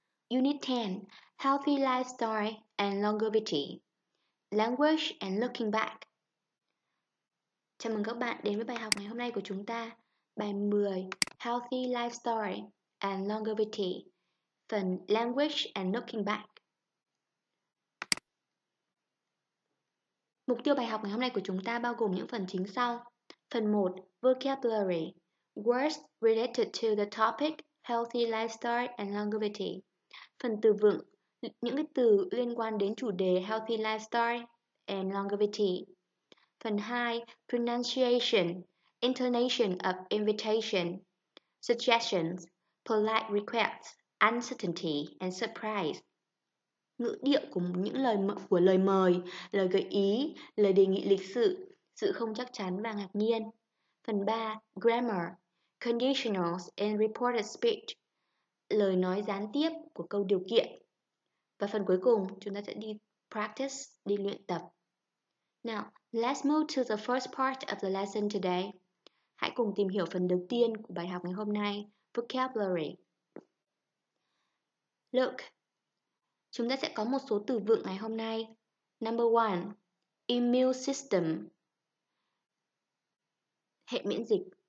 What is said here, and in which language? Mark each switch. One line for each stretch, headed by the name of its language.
English: Unit 10, Healthy Lifestyle and Longevity, Language and Looking Back.
Vietnamese: Chào mừng các bạn đến với bài học ngày hôm nay của chúng ta. Bài 10, Healthy Lifestyle and Longevity, phần Language and Looking Back. Mục tiêu bài học ngày hôm nay của chúng ta bao gồm những phần chính sau. Phần 1,
English: Vocabulary, Words related to the topic Healthy Lifestyle and Longevity.
Vietnamese: Phần từ vựng, những cái từ liên quan đến chủ đề Healthy Lifestyle and Longevity. Phần 2,
English: Pronunciation, Intonation of Invitation, Suggestions, Polite Requests, Uncertainty and Surprise.
Vietnamese: Ngữ điệu của những lời của lời mời, lời gợi ý, lời đề nghị lịch sự, sự không chắc chắn và ngạc nhiên. Phần 3,
English: Grammar, Conditionals in Reported Speech,
Vietnamese: lời nói gián tiếp của câu điều kiện. Và phần cuối cùng, chúng ta sẽ đi practice, đi luyện tập.
English: Now, let's move to the first part of the lesson today.
Vietnamese: Hãy cùng tìm hiểu phần đầu tiên của bài học ngày hôm nay, vocabulary. Look, chúng ta sẽ có một số từ vựng ngày hôm nay.
English: Number one, immune system,
Vietnamese: hệ miễn dịch.